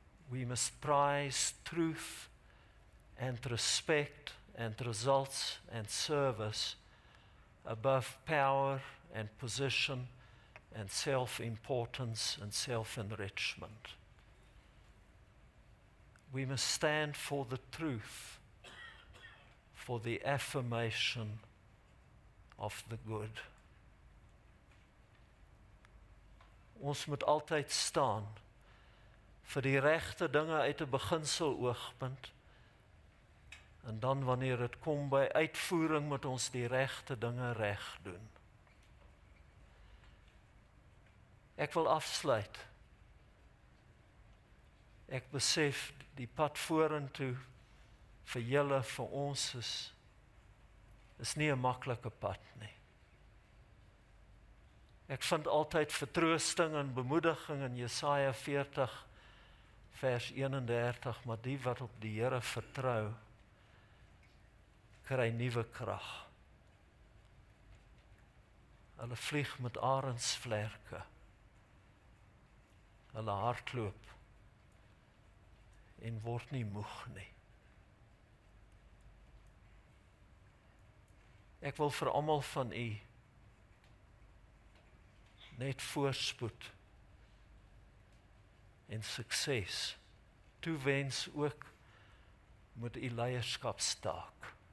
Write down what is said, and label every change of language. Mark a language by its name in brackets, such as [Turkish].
[English] We must prize truth and respect and results and service above power and position and self-importance and self-enrichment. We must stand for the truth, for the affirmation of the good. [Afrikaans] Ons moet altyd staan vir die regte dinge uit 'n beginsel oogpunt en dan wanneer het kom by uitvoering moet ons die regte dinge reg doen. Ek wil afsluit. Ek besef die pad vorentoe vir julle, vir ons is nie een makkelijke pad nie. Ek vind altyd vertroosting en bemoediging in Jesaja 40 vers 31, maar die wat op die Here vertrou, kry nuwe krag. Hulle vlieg met arendsvlerke. Hulle hardloop en word nie moeg nie. Ek wil vir almal van u net voorspoed en sukses toewens ook met u leierskapstaak.